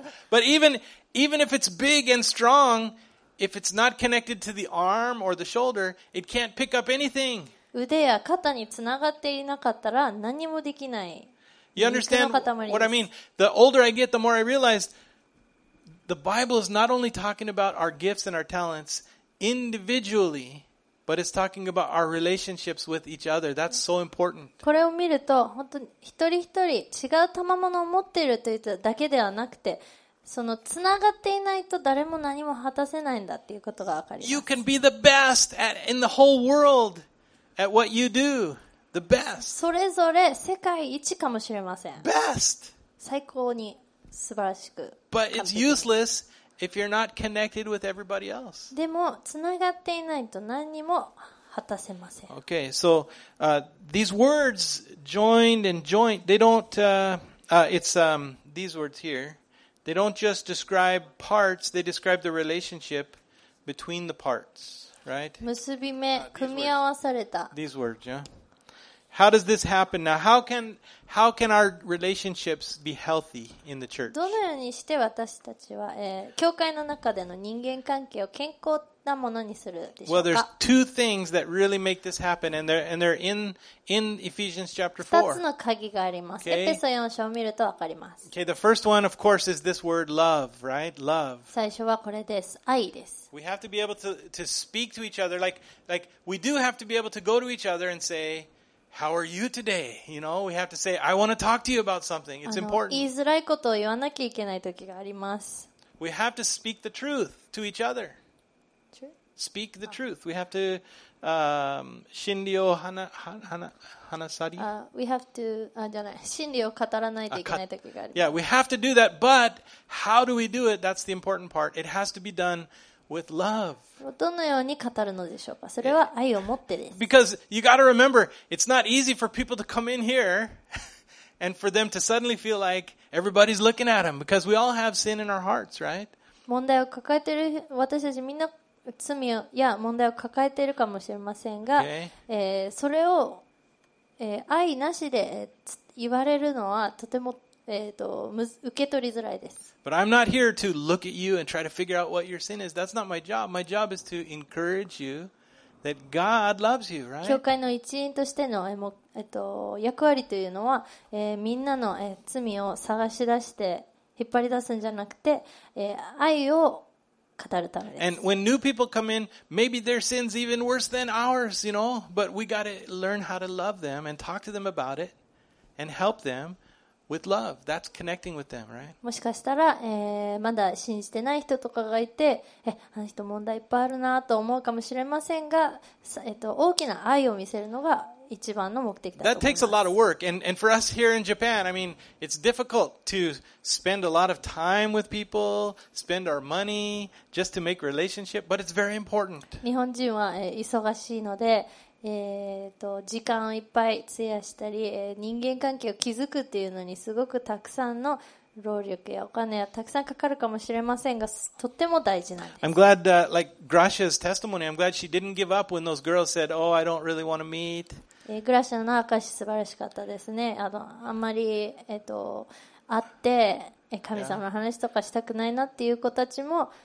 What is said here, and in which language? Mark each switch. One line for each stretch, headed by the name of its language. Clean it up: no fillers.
English: But even if it's big and strong, if it's not connected to the arm or the shoulder, it can't pick up anything.
Japanese: 腕や肩につながっていなかったら何もできない。
English: You understand what I mean? The older I get, the more I realize,The Bible is not only talking about our gifts and our talents individually, but it's talking about our relationships with each other. That's so important.
Japanese: これを見ると、本当に一人一人違う賜物を持っているというだけではなくて、そのつながっていないと誰も何も果たせないんだっていうことがわかります。
English: You can be the best in the whole world at what you do. The best.
Japanese: それぞれ世界一かもしれません。
English: Best.
Japanese: 最高に。素晴らしく。
English: But it's useless if you're not connected with everybody else.
Japanese: でも、つながっていないと何にも果たせません。
English: Okay, so, these words, joined and joint, they don't, it's these words here, they don't just describe parts, they describe the relationship between the parts. right?
Japanese: 結び目、組み合わされた。
English: These words, yeah. How does this happen now? How can our relationships be healthy in the church?
Japanese: どのようにして私たちは、教会の中での人間関係を健康なものにするでしょうか?
English: Well, there's two things that really make this happen, and they're in Ephesians chapter 4.
Japanese: 2つの鍵があります。エペソ4章を見るとわかります。
English: Okay, the first one, of course, is this word love, right? Love.
Japanese: 最初はこれです。愛です。
English: We have to be able to speak to each other, like we do have to be able to go to each other and say,How are you today? You know, we have to say, I want to talk to you about something. It's important.
Japanese: 言いづらいことを言わなきゃいけない時があります。
English: We have to speak the truth to each other. Speak the truth. We have to,
Japanese: 真理を話さり。
English: We have to,
Japanese: じゃない、真理を語らないといけない時があります。
English: Yeah, we have to do that, but how do we do it? That's the important part. It has to be done. With love.
Japanese: どのように語るのでしょうか。それは愛を持ってです。
English: Because you got to remember, it's not easy for people to come in here and for them to suddenly feel like everybody's looking at them because we all have sin in our hearts, right?
Japanese: 問題を抱えている私たちみんな罪や問題を抱えているかもしれませんが、それを愛なしで言われるのはとても受け取りづらいです。
English: But I'm not here to look at you and try to figure out what your sin is. That's not my job. My job is to encourage you that God loves you, right?
Japanese: 教会の一員としての役割というのは、みんなの罪を探し出して引っ張り出すんじゃなくて、愛を語るためです。
English: And when new people come in, maybe their sin's even worse than ours, you know? But we got to learn how to love them and talk to them about it and help them. With love, that's connecting with them, right?
Japanese: もしかしたら、まだ信じてない人とかがいて、あの人問題いっぱいあるなと思うかもしれませんが、大きな愛を見せるのが一番の目的だと思います。
English: That takes a lot of work, and for us here in Japan, I mean, it's difficult to spend a lot of time with people, spend our money just to make relationship, but it's very important.
Japanese: 日本人は、忙しいので。時間をいっぱい費やしたり、人間関係を築くっていうのにすごくたくさんの労力やお金はたくさんかかるかもしれませんが、とっても大事なんです。
English: I'm glad like Gracia's testimony. I'm glad she didn't give up when those girls said, "Oh, I don't really want to meet."
Japanese: グラシアの証素晴らしかったですね。あんまり会って神様の話とかしたくないなっていう子たちも。